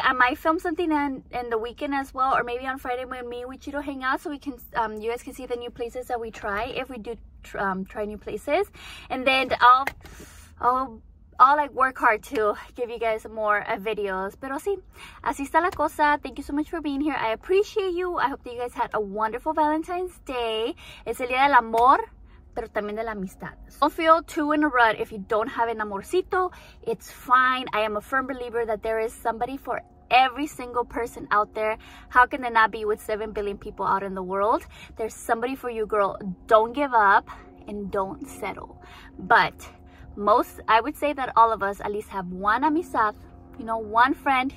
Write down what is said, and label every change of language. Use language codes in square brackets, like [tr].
[en] I might film something in the weekend as well, or maybe on Friday when me and Wichito hang out, so we can you guys can see the new places that we try, if we do try new places. And then I'll like work hard to give you guys more videos. [es] Pero sí, así está la cosa. [en] Thank you so much for being here. I appreciate you. I hope that you guys had a wonderful Valentine's Day. [es] Es el día del amor, pero también de la amistad. [en] Don't feel too in a rut if you don't have an amorcito. It's fine. I am a firm believer that there is somebody for every single person out there. How can there not be with 7 billion people out in the world? There's somebody for you, girl. Don't give up and don't settle. But most, I would say that all of us at least have one amistad, you know, one friend.